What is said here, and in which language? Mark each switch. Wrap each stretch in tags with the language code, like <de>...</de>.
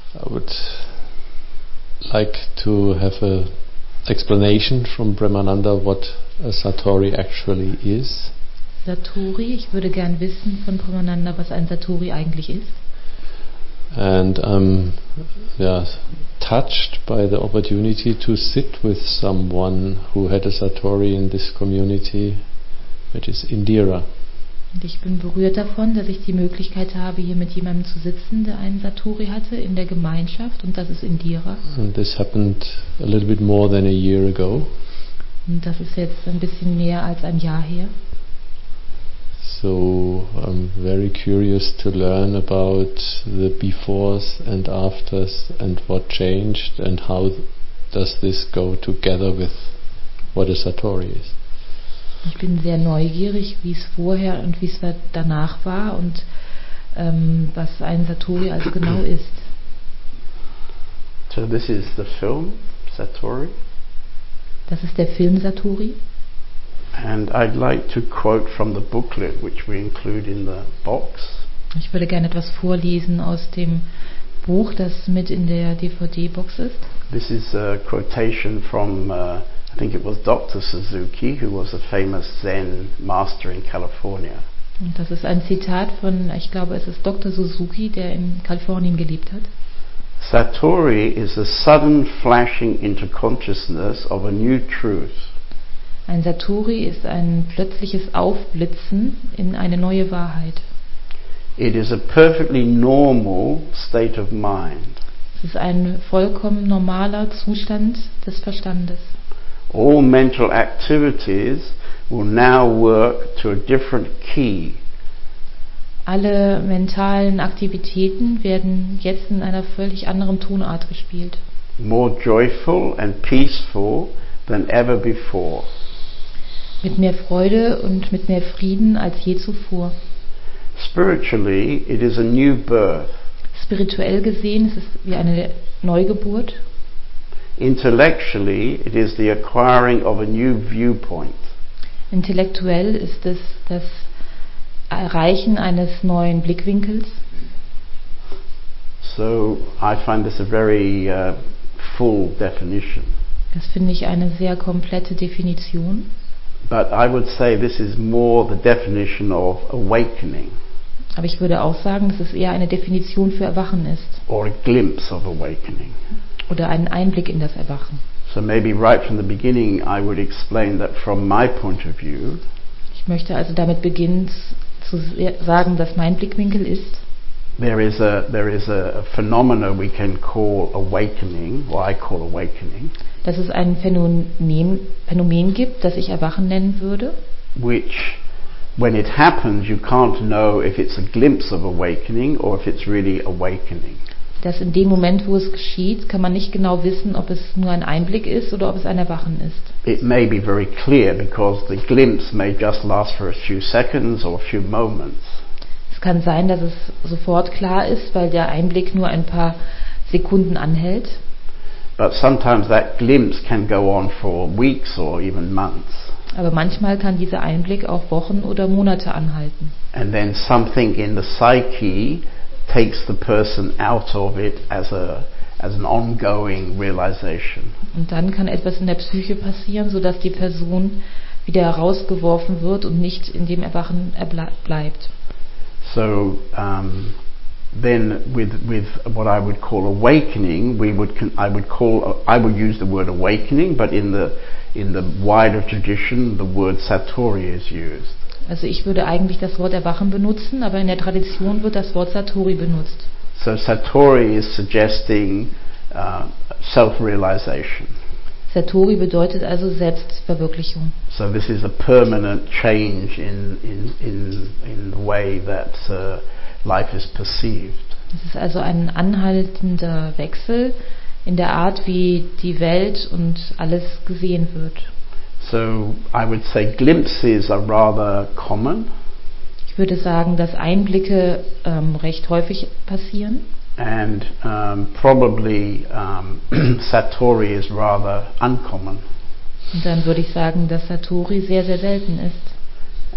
<en>would like to have an explanation from Premananda what a Satori actually is.</en> <de>Satori, ich würde gern wissen von Premananda, was ein Satori eigentlich ist.</de> <en>And I'm touched by the opportunity to sit with someone who had a Satori in this community, which is Indira.</en> <de>Und ich bin berührt davon, dass ich die Möglichkeit habe, hier mit jemandem zu sitzen, der einen Satori hatte in der Gemeinschaft, und das ist Indira.</de> <en>And this happened a little bit more than a year ago.</en> <de>Und das ist jetzt ein bisschen mehr als ein Jahr her.</de> <en>So I'm very curious to learn about the befores and afters and what changed and how does this go together with what a Satori is.</en> <de>Ich bin sehr neugierig, wie es vorher und wie es danach war und was ein Satori also genau ist.</de> <en>So this is the film Satori.</en> <de>Das ist der Film Satori.</de> <en>And I'd like to quote from the booklet which we include in the box.</en> <de>Ich würde gerne etwas vorlesen aus dem Buch, das mit in der DVD Box ist.</de> <en>This is a quotation from I think it was Dr. Suzuki, who was a famous Zen master in California.</en> <de>Und das ist ein Zitat von, ich glaube, es ist Dr. Suzuki, der in Kalifornien gelebt hat.</de> <en>Satori is a sudden flashing into consciousness of a new truth.</en> <de>Ein Satori ist ein plötzliches Aufblitzen in eine neue Wahrheit.</de> <en>It is a perfectly normal state of mind.</en> <de>Es ist ein vollkommen normaler Zustand des Verstandes.</de> <en>All mental activities will now work to a different key.</en> <de>Alle mentalen Aktivitäten werden jetzt in einer völlig anderen Tonart gespielt.</de> <en>More joyful and peaceful than ever before.</en> <de>Mit mehr Freude und mit mehr Frieden als je zuvor.</de> <en>Spiritually, it is a new birth.</en> <de>Spirituell gesehen, es ist wie eine Neugeburt.</de> <en>Intellectually, it is the acquiring of a new viewpoint.</en> <de>Intellektuell ist es das Erreichen eines neuen Blickwinkels.</de> <en>So, I find this a very full definition.</en> <de>Das finde ich eine sehr komplette Definition.</de> <en>But I would say this is more the definition of awakening.</en> <de>Aber ich würde auch sagen, dass es eher eine Definition für Erwachen ist.</de> <en>Or a glimpse of awakening.</en> <de>Oder einen Einblick in das Erwachen.</de> <en>So maybe right from the beginning I would explain that from my point of view.</en> <de>Ich möchte also damit beginnen zu sagen, dass mein Blickwinkel ist.</de> <en>There is a phenomena we can call awakening, or I call awakening.</en> <de>Dass es ein Phänomen gibt, das ich Erwachen nennen würde.</de> <en>Which, when it happens, you can't know if it's a glimpse of awakening or if it's really awakening.</en> <de>Dass in dem Moment, wo es geschieht, kann man nicht genau wissen, ob es nur ein Einblick ist oder ob es ein Erwachen ist.</de> <en>It may be very clear because the glimpse may just last for a few seconds or a few moments.</en> <de>Es kann sein, dass es sofort klar ist, weil der Einblick nur ein paar Sekunden anhält.</de> <en>But sometimes that glimpse can go on for weeks or even months.</en> <de>Aber manchmal kann dieser Einblick auch Wochen oder Monate anhalten.</de> <en>And then something in the psyche takes the person out of it as an ongoing realization.</en> <de>Und dann kann etwas in der Psyche passieren, so dass die Person wieder herausgeworfen wird und nicht in dem Erwachen bleibt.</de> <en>So then with what I would call awakening, I would use the word awakening, but in the wider tradition the word Satori is used.</en> <de>Also ich würde eigentlich das Wort Erwachen benutzen, aber in der Tradition wird das Wort Satori benutzt.</de> <en>So Satori is suggesting self-realization.</en> <de>Satori bedeutet also Selbstverwirklichung.</de> <en>So this is a permanent change in the way that life is perceived.</en> <de>Es ist also ein anhaltender Wechsel in der Art, wie die Welt und alles gesehen wird.</de> <en>So I would say glimpses are rather common.</en> <de>Ich würde sagen, dass Einblicke recht häufig passieren.</de> <en>And probably Satori is rather uncommon.</en> <de>Und dann würde ich sagen, dass Satori sehr, sehr selten ist.</de>